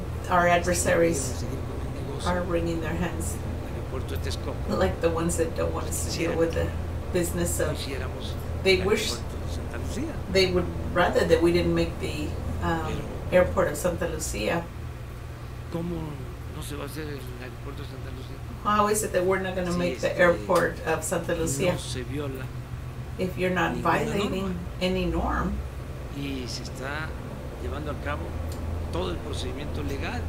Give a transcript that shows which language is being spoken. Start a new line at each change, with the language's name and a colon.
English: Our adversaries are wringing their hands like the ones that don't want us to deal with the business of they wish they would rather that we didn't make the airport of Santa Lucia.
Spanish: ¿Cómo no se va a hacer el aeropuerto de Santa Lucia?
English: How is it that we're not going to make the airport of Santa Lucia?
Spanish: No se viola.
English: If you're not violating norma. Any norm.
Spanish: Y se está llevando a cabo todo el procedimiento legal.